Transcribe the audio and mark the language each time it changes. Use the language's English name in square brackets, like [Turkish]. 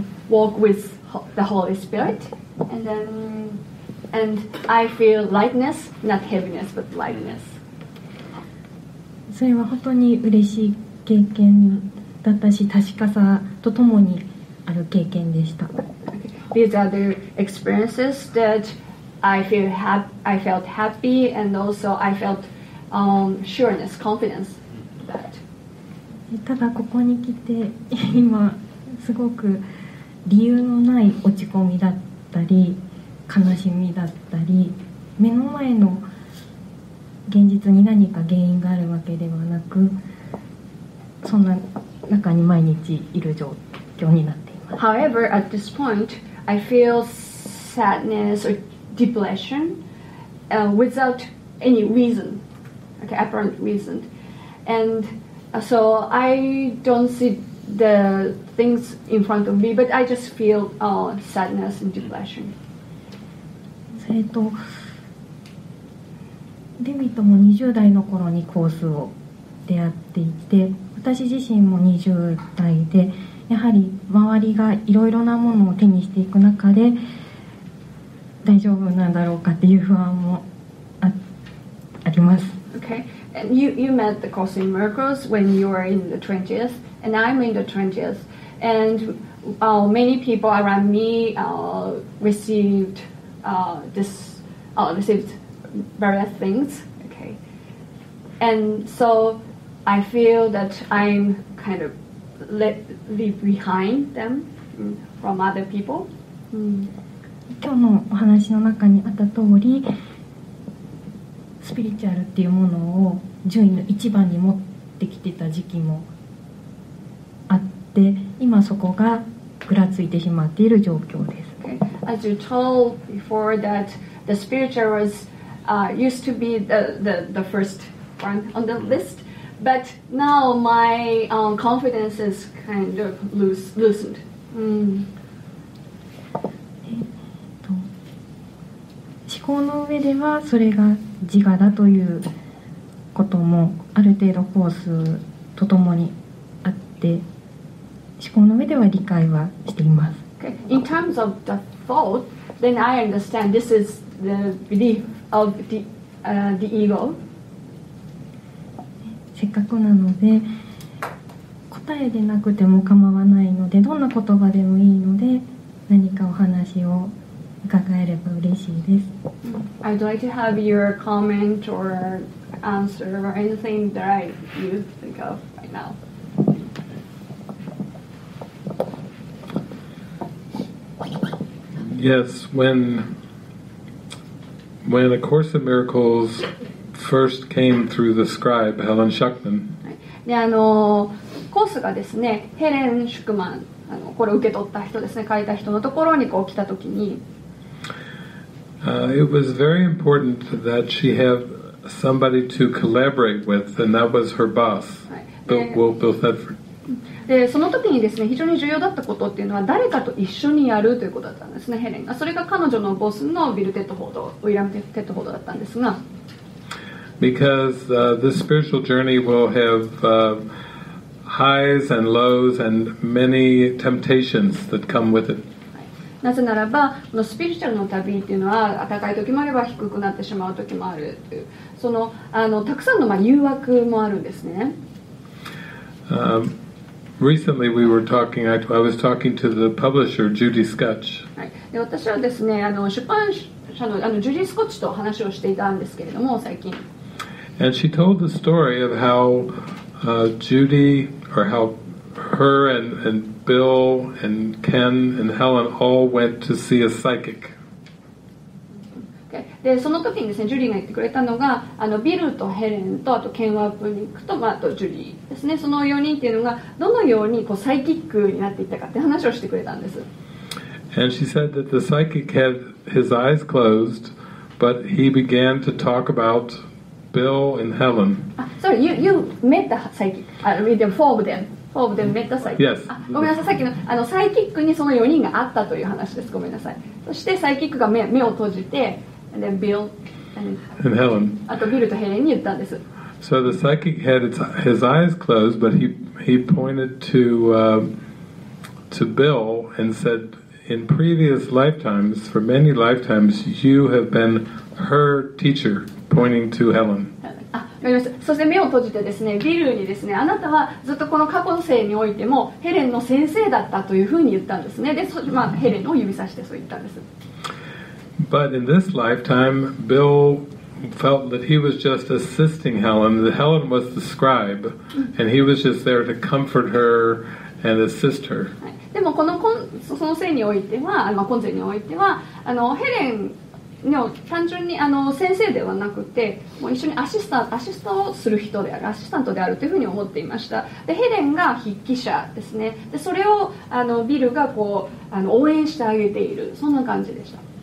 [English] walk with the Holy Spirit, and then and I feel lightness, not heaviness, but lightness. [Japanese] それは本当に嬉しい経験だったし、確かさとともにある経験でした。 [English] These are the experiences that I feel I felt happy and also I felt sureness, confidence. That. [Japanese] ただここに来て今すごく理由のない落ち込みだったり悲しみだったり、目の前の現実に何か原因があるわけではなく、そんな中に毎日いる状況になっています。 [English] However, at this point, I feel sadness or depression, without any reason, okay, apparent reason. And so I don't see the things in front of me, but I just feel sadness and depression. [Japanese] それとデミとも20代の頃にコースを出会っていて、私自身も20代でやはり周りがいろいろなものを手にしていく中で大丈夫なんだろうかっていう不安も あります。 [English] Okay, and you met the course in miracles when you were in the 20s, and I'm in the 20s, and many people around me received this received various things, okay, and so I feel that I'm kind of leave behind them from other people. [Japanese] 今日のお話の中にあった通り、スピリチュアルっていうものを順位の一番に持ってきてた時期もあって、今そこがぐらついてしまっている状況です。 [English] Okay, as you told before that the spiritual wasused to be the first one on the list, but now my confidence is kind of loosened.、 [Japanese] 思考の上ではそれが自我だということもある程度コースとともにあって、思考の上では理解はしています。 [English] Okay, in terms of the thought, then I understand this is the beliefOf the ego. [Japanese] せっかくなので答えでなくても構わないので、どんな言葉でもいいので何かお話を伺えれば嬉しいです。 [English] I'd like to have your comment or answer or anything that I you think of right now. Yes, When A Course in Miracles first came through the scribe, Helen Schuckman. [Japanese] で、あのコースがですね、ヘレン・シュクマン、あのこれを受け取った人ですね、書いた人のところにこう来たときに、 [English] It was very important that she have somebody to collaborate with, and that was her boss, Will Thetford. [Japanese] で、その時にですね、非常に重要だったことっていうのは、誰かと一緒にやるということだったんですね、ヘレンが。それが彼女のボスのビル・テッドフォード、ウィリアム・テッドフォードだったんですが。 [English] Because, this spiritual journey will have, highs and lows and many temptations that come with it. [Japanese] なぜならば、このスピリチュアルの旅っていうのは、高い時もあれば低くなってしまう時もあるという、その、あの、たくさんの、まあ、誘惑もあるんですね。 [English] Recently, we were talking. I was talking to the publisher, Judy Scutch. [Japanese] はい。で、私はですね、あの出版社のあのジュディ・スコッチと話をしていたんですけれども、最近。 [English] And she told the story of how Judy, or how her and Bill and Ken and Helen all went to see a psychic. Okay. [Japanese] で、その時にですね、ジュディが言ってくれたのが、あのビルとヘレンとあとケンワープに行くと、まあ、あとジュディ。ですね、その4人っていうのがどのようにこうサイキックになっていったかって話をしてくれたんです。 [English] And she said that the psychic had his eyes closed, but he began to talk about Bill and Helen. Sorry, you met the psychic, four of them met the psychic. Yes. [Japanese] ごめんなさい、さっきの、あのサイキックにその4人があったという話です。ごめんなさい。そしてサイキックが 目を閉じて、 [English] and then Bill and Helen. [Japanese] あとビルとヘレンに言ったんです。 [English] So the psychic had his eyes closed, but he pointed to to Bill and said, in previous lifetimes, for many lifetimes, you have been her teacher, pointing to Helen. [Japanese] そして目を閉じてですね、ビルにですね、あなたはずっとこの過去の生においてもヘレンの先生だったというふうに言ったんですね。で、まあ、ヘレンを指さしてそう言ったんです。 [English] But in this lifetime, Bill felt that he was just assisting Helen. Helen was the scribe, and he was just there to comfort her and assist her. [Japanese] でもこの今その生においては、まあ、今世においては、あのヘレン単純にあの先生ではなくてもう一緒にアシスタをする人であるアシスタントであるというふうに思っていました。でヘレンが筆記者ですね。でそれをあのビルがこうあの応援してあげている、そんな感じでした。